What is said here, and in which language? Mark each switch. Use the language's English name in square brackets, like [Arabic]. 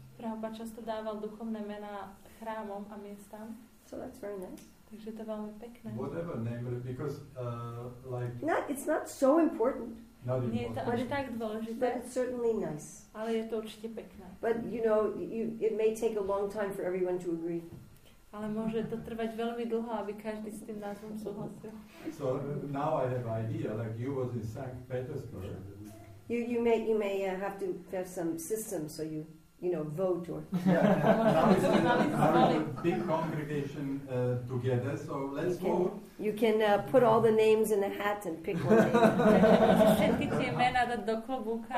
[Slovak] Prabhupada často dával duchovné mená chrámom a miestam. [English] So that's very nice. [Slovak] Takže to veľmi pekné. [English] Whatever name, because like... It's not so important. [Slovak] Nie je to až tak dôležité. [English] But it's certainly nice. [Slovak] Ale je to určite pekné. [English] But you know, it may take a long time for everyone to agree. [Slovak] Ale môže to trvať veľmi dlho, aby každý s tým názvom súhlasil. [English] So now I have idea, like you was in St. Petersburg. You may have to have some system so you, you know, vote or... Yeah. Now it's a big congregation together, so let's vote. You can put all the names in a hat and pick one name.